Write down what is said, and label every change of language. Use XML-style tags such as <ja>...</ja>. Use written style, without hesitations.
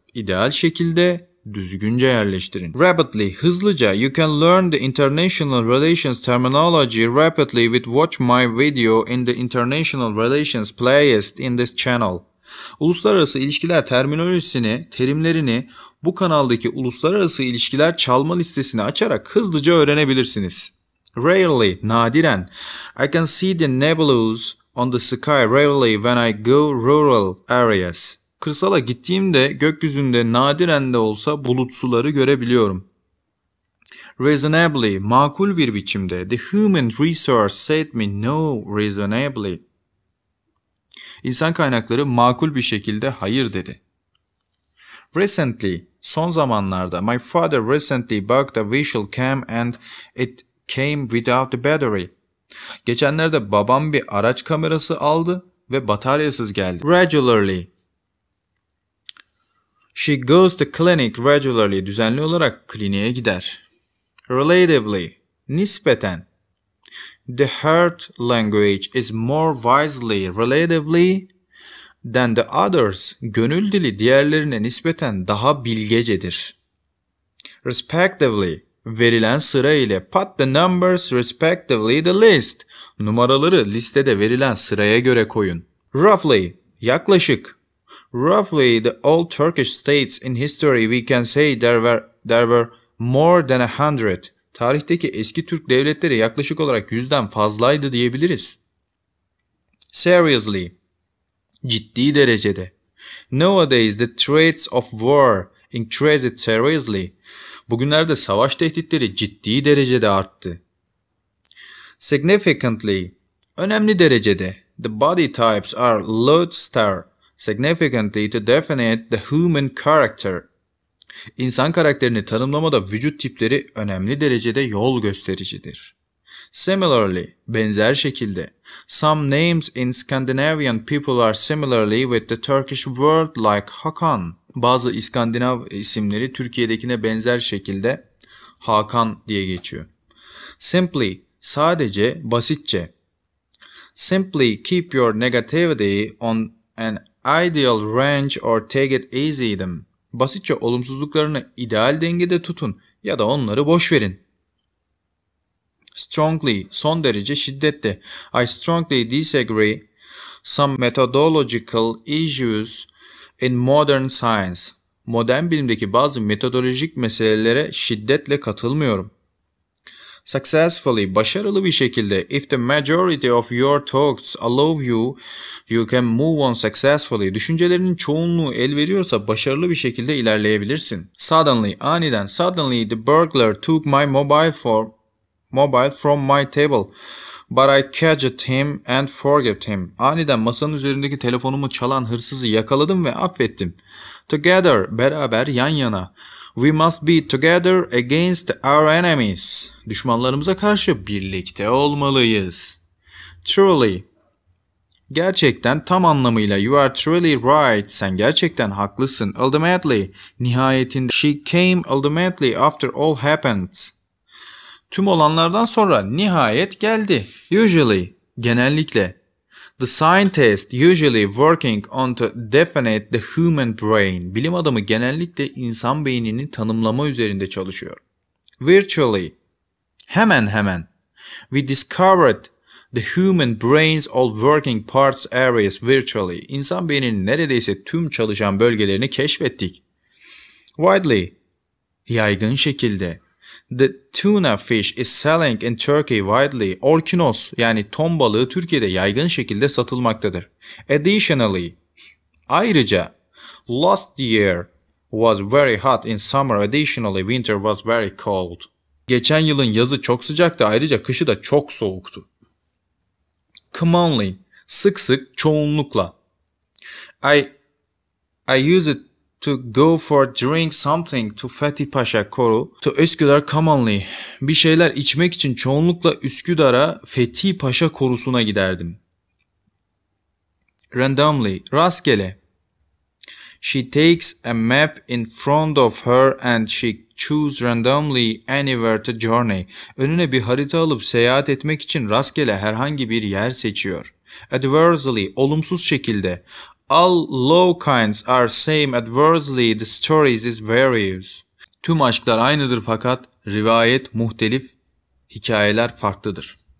<tr>İdeal şekilde, düzgünce yerleştirin.</tr> <en>Rapidly, hızlıca. You can learn the international relations terminology rapidly with watch my video in the international relations playlist in this channel.</en> <tr>Uluslararası ilişkiler terminolojisini, terimlerini bu kanaldaki uluslararası ilişkiler çalma listesini açarak hızlıca öğrenebilirsiniz.</tr> <en>Rarely, nadiren. I can see the nebulous on the sky rarely when I go rural areas.</en> <tr>Kırsala gittiğimde gökyüzünde nadiren de olsa bulut suları görebiliyorum.</tr> <en>Reasonably,</en> <tr>makul bir biçimde.</tr> <en>The human resource said me no reasonably.</en> <tr>İnsan kaynakları makul bir şekilde hayır dedi.</tr> <en>Recently,</en> <tr>son zamanlarda.</tr> <en>My father recently bought a visual cam and it came without the battery.</en> <tr>Geçenlerde babam bir araç kamerası aldı ve bataryasız geldi.</tr> <en>Regularly. She goes to clinic regularly.</en> <tr>Düzenli olarak kliniğe gider.</tr> <en>Relatively. Nispeten. The heart language is more wisely relatively than the others.</en> <tr>Gönül dili diğerlerine nispeten daha bilgecedir.</tr> <en>Respectively.</en> <tr>Verilen sıra ile.</tr> <en>Put the numbers respectively the list.</en> <tr>Numaraları listede verilen sıraya göre koyun.</tr> <en>Roughly.</en> <tr>Yaklaşık.</tr> <en>Roughly the old Turkish states in history we can say there were more than 100.</en> <tr>Tarihteki eski Türk devletleri yaklaşık olarak 100'den fazlaydı diyebiliriz.</tr> <en>Seriously.</en> <tr>Ciddi derecede.</tr> <en>Nowadays the threats of war increased seriously.</en> <tr>Bugünlerde savaş tehditleri ciddi derecede arttı.</tr> <en>Significantly.</en> <tr>Önemli derecede.</tr> <en>The body types are lodestar. Significantly to definite the human character.</en> <tr>İnsan karakterini tanımlamada vücut tipleri önemli derecede yol göstericidir.</tr> <en>Similarly,</en> <tr>benzer şekilde.</tr> <en>Some names in Scandinavian people are similarly with the Turkish word like Hakan.</en> <tr>Bazı İskandinav isimleri Türkiye'dekine benzer şekilde Hakan diye geçiyor.</tr> <en>Simply,</en> <tr>sadece, basitçe.</tr> <en>Simply keep your negativity on an ideal range or take it easy them.</en> <tr>Basitçe olumsuzluklarını ideal dengede tutun ya da onları boş verin.</tr> <en>Strongly,</en> <tr>son derece şiddetle.</tr> <en>I strongly disagree some methodological issues in modern science.</en> <tr>Modern bilimdeki bazı metodolojik meselelere şiddetle katılmıyorum. Successfully, başarılı bir şekilde.</tr> <en>If the majority of your thoughts allow you, you can move on successfully.</en> <tr>Düşüncelerinin çoğunluğu el veriyorsa başarılı bir şekilde ilerleyebilirsin.</tr> <en>Suddenly, aniden. Suddenly, the burglar took my mobile from my table, but I catched him and forgave him.</en> <tr>Aniden masanın üzerindeki telefonumu çalan hırsızı yakaladım ve affettim.</tr> <en>Together,</en> <tr>beraber, yan yana.</tr> <en>We must be together against our enemies.</en> <tr>Düşmanlarımıza karşı birlikte olmalıyız. Truly. Gerçekten, tam anlamıyla.</tr> <en>You are truly right.</en> <tr>Sen gerçekten haklısın.</tr> <en>Ultimately.</en> <tr>Nihayetinde.</tr> <en>She came ultimately after all happened.</en> <tr>Tüm olanlardan sonra nihayet geldi.</tr> <en>Usually.</en> <tr>Genellikle.</tr> <en>The scientist usually working on to definite the human brain.</en> <tr>Bilim adamı genellikle insan beynini tanımlama üzerinde çalışıyor.</tr> <en>Virtually.</en> <tr>Hemen hemen.</tr> <en>We discovered the human brain's all working parts areas virtually.</en> <tr>İnsan beyninin neredeyse tüm çalışan bölgelerini keşfettik.</tr> <en>Widely.</en> <tr>Yaygın şekilde.</tr> <en>The tuna fish is selling in Turkey widely.</en> <tr>Orkinos, yani ton balığı Türkiye'de yaygın şekilde satılmaktadır.</tr> <en>Additionally,</en> <tr>ayrıca,</tr> <en>last year was very hot in summer. Additionally, winter was very cold.</en> <tr>Geçen yılın yazı çok sıcaktı, ayrıca kışı da çok soğuktu.</tr> <en>Commonly,</en> <tr>sık sık, çoğunlukla.</tr> <en>I use it to go for drink something to Fethi Paşa Koru to Üsküdar commonly.</en> <tr>Bir şeyler içmek için çoğunlukla Üsküdar'a Fethi Paşa Korusu'na giderdim.</tr> <en>Randomly, rastgele. She takes a map in front of her and she chooses randomly anywhere to journey.</en> <tr>Önüne bir harita alıp seyahat etmek için rastgele herhangi bir yer seçiyor.</tr> <en>Adversely,</en> <tr>olumsuz şekilde.</tr> <en>All low kinds are same adversely, the stories is various.</en> <tr>Tüm aşklar aynıdır fakat rivayet muhtelif, hikayeler farklıdır.</tr>